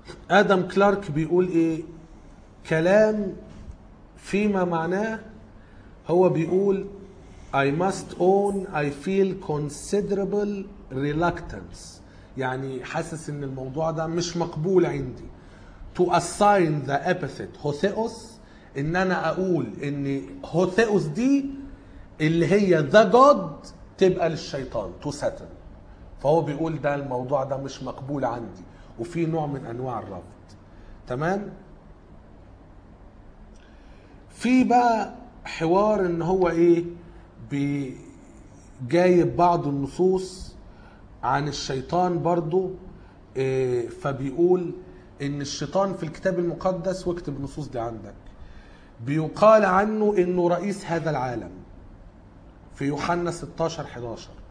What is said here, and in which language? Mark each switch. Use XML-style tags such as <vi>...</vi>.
<ar>آدم كلارك بيقول إيه؟ كلام فيما معناه هو بيقول</ar> <en>I must own I feel considerable reluctance،</en> <ar>يعني حاسس إن الموضوع ده مش مقبول عندي.</ar> <en>To assign the epithet Hotheos،</en> <ar>إن أنا أقول إن</ar> <en>Hotheos</en> <ar>دي اللي هي</ar> <en>the god</en> <ar>تبقى للشيطان</ar> <en>to Satan.</en> <ar>فهو بيقول ده الموضوع ده مش مقبول عندي، وفي نوع من أنواع الرفض. تمام؟ في بقى حوار إن هو إيه بجايب بعض النصوص عن الشيطان برضو، فبيقول إن الشيطان في الكتاب المقدس، واكتب النصوص دي عندك، بيقال عنه إنه رئيس هذا العالم في يوحنا 16:11.</ar>